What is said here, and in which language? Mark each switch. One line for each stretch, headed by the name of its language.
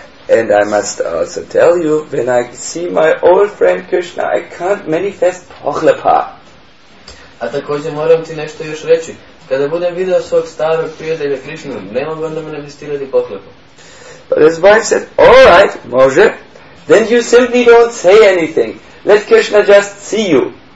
English: And I must also tell you, when I see my old friend Krishna, I can't manifest
Croatian: pohlepa. A također moram ti nešto još reći. Kada budem vidio svog starog prijatelja Krishna, ne mogu onda manifestirati pohlepu.
English: But his wife said, all right, Moshe, then you simply don't say anything. Let Krishna just see you.